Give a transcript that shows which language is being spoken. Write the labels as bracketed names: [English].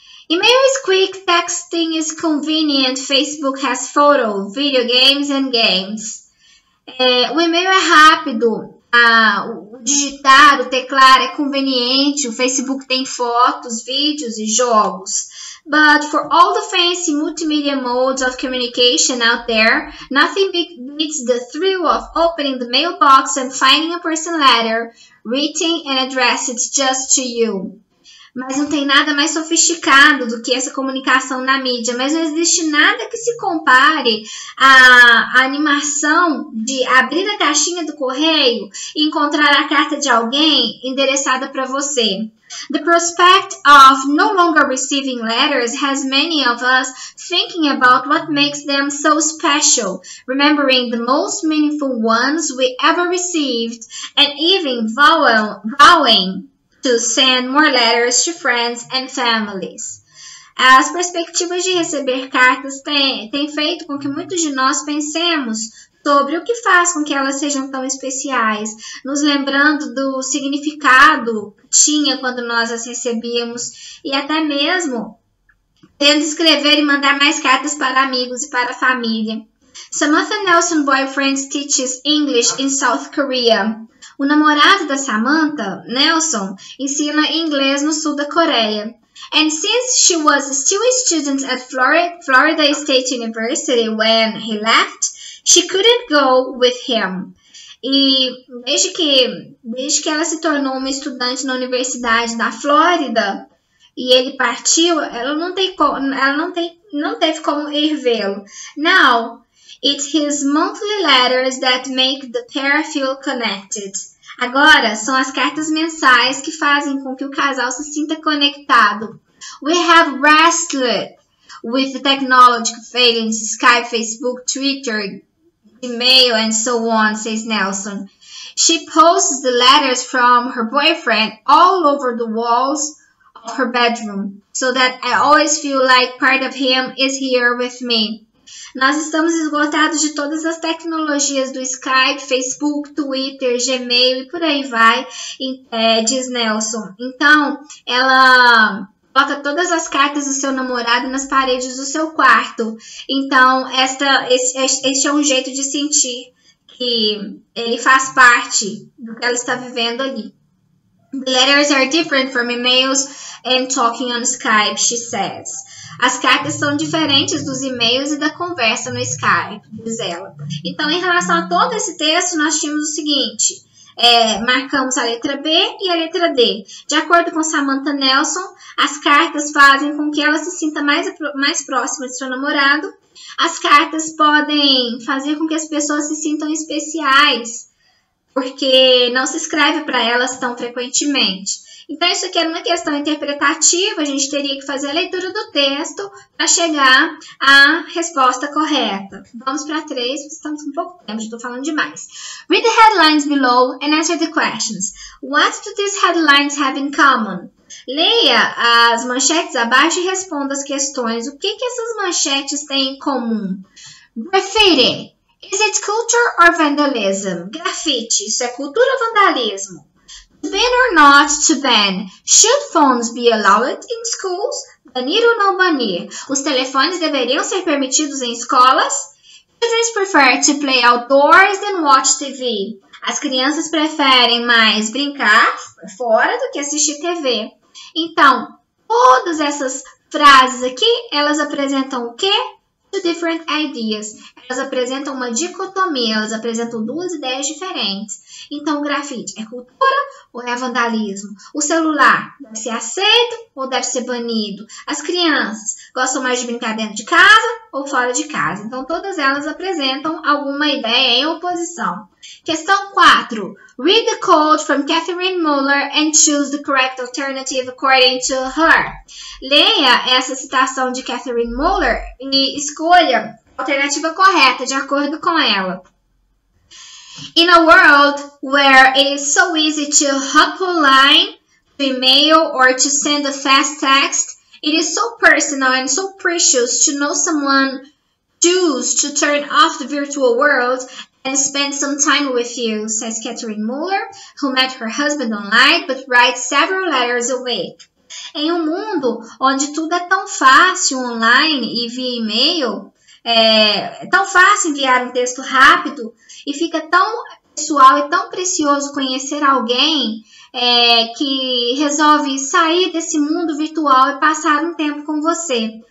[English] Email is quick, texting is convenient, Facebook has photo, video games and games. [Portuguese] É, o e-mail é rápido, o digitar, o teclar é conveniente, o Facebook tem fotos, vídeos e jogos. [English] But for all the fancy multimedia modes of communication out there, nothing beats the thrill of opening the mailbox and finding a personal letter written and addressed just to you. [Portuguese] Mas não tem nada mais sofisticado do que essa comunicação na mídia. Mas não existe nada que se compare à animação de abrir a caixinha do correio e encontrar a carta de alguém endereçada para você. [English] The prospect of no longer receiving letters has many of us thinking about what makes them so special, remembering the most meaningful ones we ever received, and even vowing to send more letters to friends and families. [Portuguese] As perspectivas de receber cartas têm feito com que muitos de nós pensemos sobre o que faz com que elas sejam tão especiais, nos lembrando do significado que tinha quando nós as recebíamos e até mesmo tendo escrever e mandar mais cartas para amigos e para a família. [English] Samantha Nelson's boyfriend teaches English in South Korea. [Portuguese] O namorado da Samantha, Nelson, ensina inglês no sul da Coreia. [English] And since she was still a student at Florida State University when he left, she couldn't go with him. [Portuguese] E desde que ela se tornou uma estudante na Universidade da Flórida e ele partiu, ela não teve como ir vê-lo. [English] Now, it's his monthly letters that make the pair feel connected. [Portuguese] Agora, são as cartas mensais que fazem com que o casal se sinta conectado. [English] We have wrestled with the technology failings, Skype, Facebook, Twitter, Gmail, and so on, says Nelson. She posts the letters from her boyfriend all over the walls of her bedroom, so that I always feel like part of him is here with me. [Portuguese] Nós estamos esgotados de todas as tecnologias do Skype, Facebook, Twitter, Gmail e por aí vai, diz Nelson. Então, ela coloca todas as cartas do seu namorado nas paredes do seu quarto. Então, este é um jeito de sentir que ele faz parte do que ela está vivendo ali. The letters are different from emails and talking on Skype, she says. As cartas são diferentes dos e-mails e da conversa no Skype, diz ela. Então, em relação a todo esse texto, nós tínhamos o seguinte. Marcamos a letra B e a letra D. De acordo com Samantha Nelson, as cartas fazem com que ela se sinta mais próxima de seu namorado. As cartas podem fazer com que as pessoas se sintam especiais, porque não se escreve para elas tão frequentemente. Então, isso aqui era uma questão interpretativa, a gente teria que fazer a leitura do texto para chegar à resposta correta. Vamos para 3, estamos com pouco tempo, já estou falando demais. [English] Read the headlines below and answer the questions. What do these headlines have in common? [Portuguese] Leia as manchetes abaixo e responda as questões. O que essas manchetes têm em comum? Graffiti. [English] Is it culture or vandalism? [Portuguese] Grafite. Isso é cultura ou vandalismo? [English] To ban or not to ban? Should phones be allowed in schools? [Portuguese] Banir ou não banir? Os telefones deveriam ser permitidos em escolas? [English] Children prefer to play outdoors than watch TV. [Portuguese] As crianças preferem mais brincar fora do que assistir TV. Então, Todas essas frases aqui, elas apresentam o quê? [English] Two different ideas. [Portuguese] Elas apresentam uma dicotomia, elas apresentam duas ideias diferentes. Então, o grafite é cultura ou é vandalismo? O celular deve ser aceito ou deve ser banido? As crianças gostam mais de brincar dentro de casa ou fora de casa? Então, todas elas apresentam alguma ideia em oposição. Questão 4. [English] Read the quote from Catherine Muller and choose the correct alternative according to her. [Portuguese] Leia essa citação de Catherine Muller e escolha a alternativa correta de acordo com ela. [English] In a world where it is so easy to hop a line, to email, or to send a fast text, it is so personal and so precious to know someone choose to turn off the virtual world and spend some time with you, says Catherine Muller, who met her husband online, but writes several letters a week. [Portuguese] Em um mundo onde tudo é tão fácil online e via e-mail, é tão fácil enviar um texto rápido e fica tão pessoal e tão precioso conhecer alguém que resolve sair desse mundo virtual e passar um tempo com você.